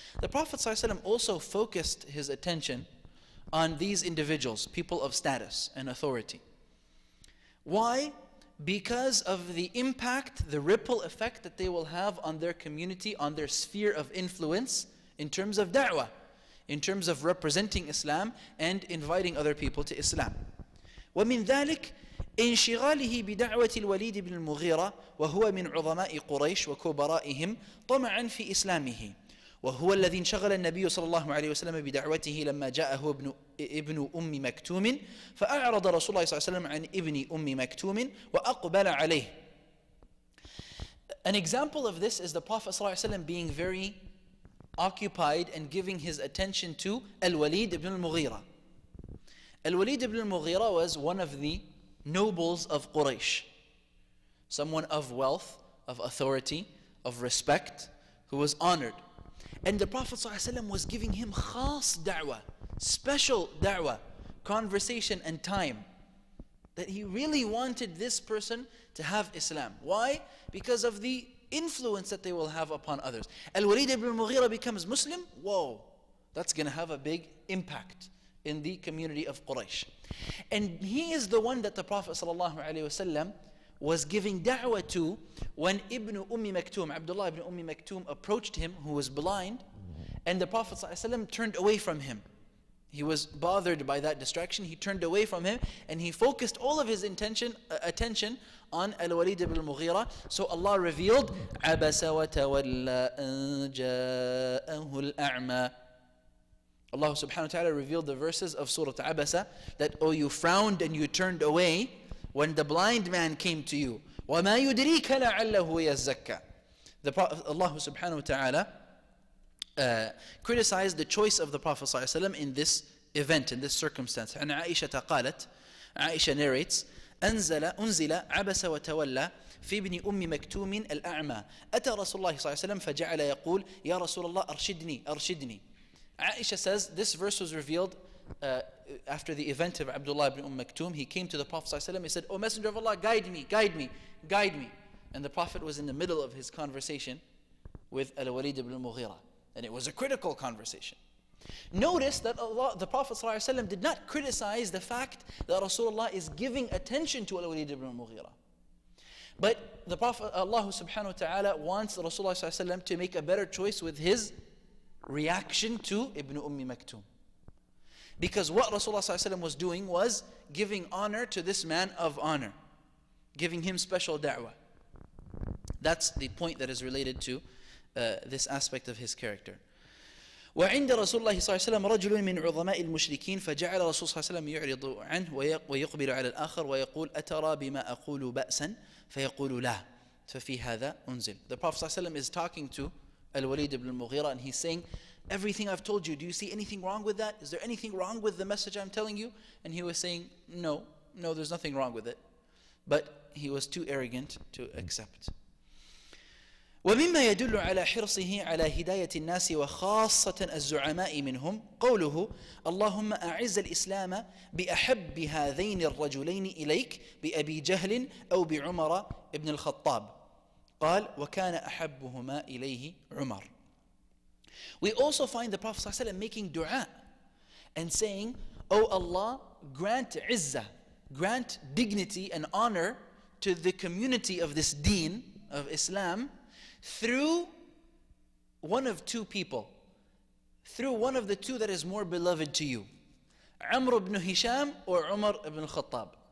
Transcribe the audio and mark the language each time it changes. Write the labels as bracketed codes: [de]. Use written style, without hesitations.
[en] The Prophet ﷺ also focused his attention on these individuals, people of status and authority. Why? Because of the impact, the ripple effect that they will have on their community, on their sphere of influence in terms of da'wah, in terms of representing Islam and inviting other people to Islam. [ar] وَمِنْ ذَلِكَ انشغاله بدعوة الوليد بن المغيرة وهو من عظماء قريش وكبرائهم طمعا في إسلامه وهو الذي انشغل النبي صلى الله عليه وسلم بدعوته لما جاءه ابن أم مكتوم فأعرض رسول الله صلى الله عليه وسلم عن ابن أم مكتوم وأقبل عليه. [en] An example of this is the Prophet صلى الله عليه وسلم being very occupied and giving his attention to الوليد بن المغيرة. Al-Walid ibn al-Mughira was one of the nobles of Quraysh. Someone of wealth, of authority, of respect, who was honored. And the Prophet ﷺ was giving him khas da'wah, special da'wah, conversation and time. That he really wanted this person to have Islam. Why? Because of the influence that they will have upon others. Al-Walid ibn al-Mughira becomes Muslim, whoa, that's going to have a big impact in the community of Quraysh. And he is the one that the Prophet ﷺ was giving da'wah to when Ibn Ummi Maktoum, Abdullah ibn Ummi Maktoum, approached him, who was blind, and the Prophet ﷺ turned away from him. He was bothered by that distraction, he turned away from him, and he focused all of his attention on Al-Walid ibn al-Mughira. So Allah revealed, [ar] عَبَسَ وَتَوَلَّى أَن جَاءَهُ الْأَعْمَى. [en] Allah subhanahu wa ta'ala revealed the verses of Surah Abasa, that, oh, you frowned and you turned away when the blind man came to you. [ar] وَمَا يُدْرِيكَ لَعَلَّهُ يَزَّكَّى. [en] Allah subhanahu wa ta'ala criticized the choice of the Prophet ﷺ in this event, in this circumstance. And Aisha taqalat, Aisha narrates, [ar] أنزل عبس وتولى في ابن أم مكتوم الأعمى أتى رسول الله صلى الله عليه وسلم فجعل يقول يا رسول الله أرشدني أرشدني. [en] Aisha says this verse was revealed after the event of Abdullah ibn Umm Maktoum. He came to the Prophet ﷺ. He said, oh, Messenger of Allah, guide me, guide me, guide me. And the Prophet was in the middle of his conversation with Al-Walid ibn al-Mughira. And it was a critical conversation. Notice that Allah, the Prophet ﷺ, did not criticize the fact that Rasulullah is giving attention to Al-Walid ibn al-Mughira. But the Prophet, Allah subhanahu wa ta'ala, wants Rasulullah ﷺ to make a better choice with his reaction to Ibn Ummi Maktoum. Because what Rasulullah ﷺ was doing was giving honor to this man of honor, giving him special da'wah. That's the point that is related to this aspect of his character. [ar] وعند رسول الله صلى الله عليه وسلم رجل من عظماء المشركين فجعل رسول الله صلى الله عليه وسلم يعرض عنه ويقبل على الآخر ويقول أترى بما أقول بأسا فيقول لا ففي هذا أنزل. [en] The Prophet صلى الله عليه وسلم is talking to Al-Walid ibn al-Mughira and he's saying, everything I've told you, do you see anything wrong with that? Is there anything wrong with the message I'm telling you? And he was saying, no, there's nothing wrong with it. But he was too arrogant to accept. [ar] ومما يدل على حرصه على هداية الناس وخاصة الزعماء منهم قوله اللهم أعز الإسلام بأحب هذين الرجلين إليك بأبي جهل أو بعمر ابن الخطاب قال وكان أحبهما إليه عمر. [en] We also find the Prophet صلى الله عليه وسلم making dua and saying, oh Allah, grant izzah, grant dignity and honor to the community of this deen of Islam through one of two people, through one of the two that is more beloved to you, Amr ibn Hisham or Umar ibn al-Khattab.